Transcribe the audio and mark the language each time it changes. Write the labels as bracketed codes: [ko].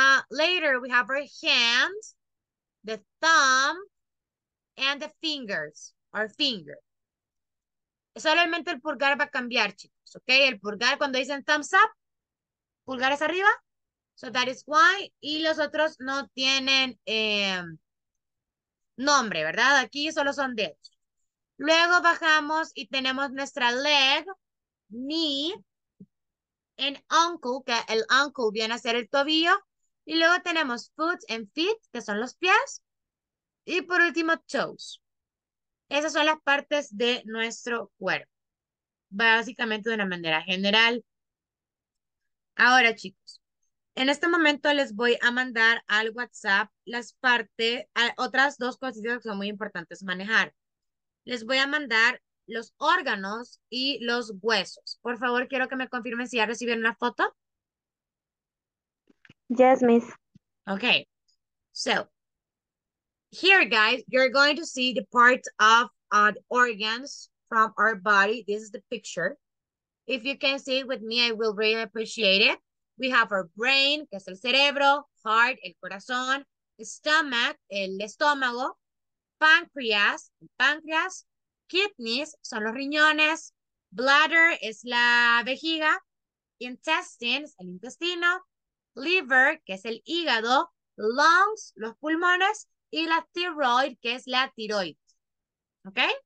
[en] Later, we have our hand, the thumb, and the fingers, our finger. [es] Solamente el pulgar va a cambiar, chicos, ¿ok? El pulgar, cuando dicen thumbs up, pulgar es arriba. [en] So that is why. [es] Y los otros no tienen nombre, ¿verdad? Aquí solo son dedos. Luego bajamos y tenemos nuestra leg, knee, and ankle, que el ankle viene a ser el tobillo. Y luego tenemos foot and feet, que son los pies. Y por último, toes. Esas son las partes de nuestro cuerpo. Básicamente de una manera general. Ahora, chicos, en este momento les voy a mandar al WhatsApp otras dos cositas que son muy importantes manejar. Les voy a mandar los órganos y los huesos. Por favor, quiero que me confirmen si ya recibieron la foto. [en] Yes, Miss. Okay, so here, guys, you're going to see the part of the organs from our body. This is the picture. If you can see it with me, I will really appreciate it. We have our brain, [es] que es el cerebro, [en] heart, el corazón, [es] stomach, el estómago, páncreas, el páncreas, kidneys son los riñones, bladder es la vejiga, intestines, el intestino, liver, que es el hígado, lungs, los pulmones, y la thyroid, que es la tiroides. ¿Ok?